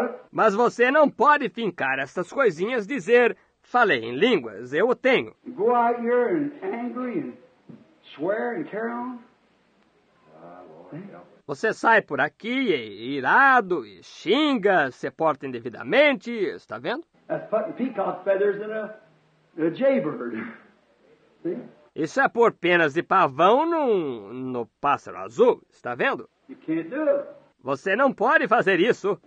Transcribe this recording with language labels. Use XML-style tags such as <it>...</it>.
<pt>Mas você não pode fincar essas coisinhas e dizer... Falei em línguas, eu o tenho.</pt> <en>Go out here and angry and swear and carry on.</en> <pt>Você sai por aqui e irado e xinga, se porta indevidamente, está vendo?</pt> <en>That's putting peacock feathers in a jaybird.</en> <pt>Isso é pôr penas de pavão no pássaro azul, está vendo?</pt> <en>You can't do it.</en> <pt>Você não pode fazer isso.</pt>